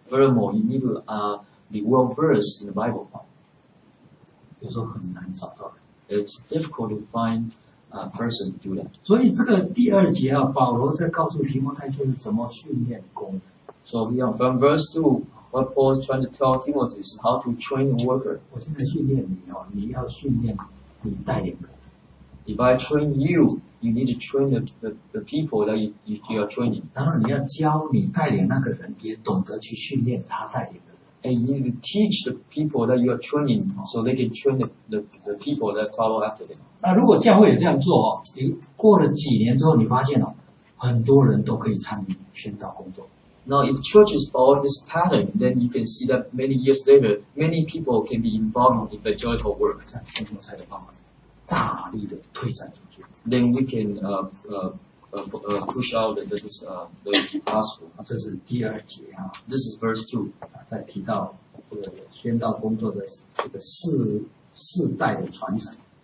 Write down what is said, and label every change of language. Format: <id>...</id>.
<en>Furthermore, you need to be well versed in the Bible.</en> <zh>有时候很难找到。</zh> <en>It's difficult to find a person to do that.</en> <zh>所以这个第二节啊，保罗在告诉提摩太就是怎么训练工人。</zh> <en>So here from verse 2, what Paul is trying to tell Timothy is how to train a worker.</en> <zh>我现在训练你哦，你要训练你带领的。</zh> <en>If I train you, you need to train the people that you are training.</en> <zh>然后你要教你带领那个人，也懂得去训练他带领的。</zh> <en>And you need to teach the people that you are training so they can train the people that follow after them.</en> <zh>那如果教会有这样做你过了几年之后你发现很多人都可以参与宣道工作。</zh> <en>Now if churches follow this pattern, then you can see that many years later, many people can be involved in the joyful work.</en> <zh>这样圣徒才有办法大力的推展出去。</zh> <en>Then we can push out that this the gospel.</en> <zh>这是第二节啊。</zh> <en>This is verse 2.</en> <zh>在提到宣道工作的这个世代的传承。</zh>